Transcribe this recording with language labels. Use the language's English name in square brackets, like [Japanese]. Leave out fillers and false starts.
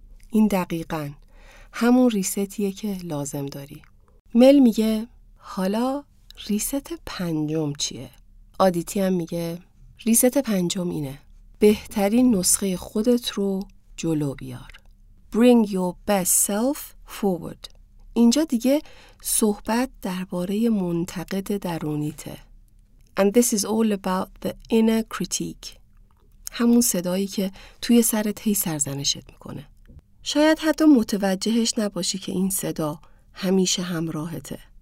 [Persian] این دقیقا همون ریستیه که لازم داری. مل میگه حالا ریست پنجم چیه؟ آدیتی هم میگه ریست پنجم اینه: بهترین نسخه خودت رو جلو بیار. [English] Bring your best self forward. [Persian] اینجا دیگه صحبت درباره منتقد درونیته. [English] And this is all about the inner critique. [Persian] همون صدایی که توی سرت هی سرزنشت میکنه. شاید حتی متوجهش نباشی که این صدا همیشه همراهته.